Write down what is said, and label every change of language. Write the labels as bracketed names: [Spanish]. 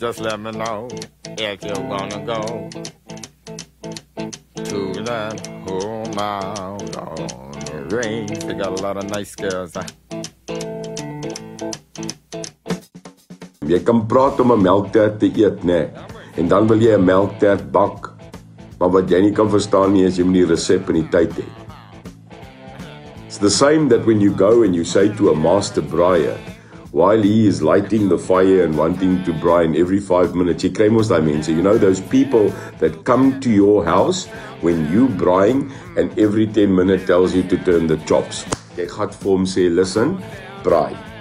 [English] Just let me know if you're gonna go to that home out on the range. They got a lot of nice girls. [Afrikaans] Jy kan praat om 'n melktert te eet, né? En dan wil jy 'n melktert bak. Maar wat jy nie kan verstaan nie, is jy moet die resep en die tyd hê. [English] It's the same that when you go and you say to a master braaier, while he is lighting the fire and wanting to brine every 5 minutes, [Afrikaans] jy kry mos daai mense, [English] you know, those people that come to your house when you brine and every 10 minutes tells you to turn the chops. [Afrikaans] Jy gaan vir hom sê, [English] listen, [Afrikaans] braai.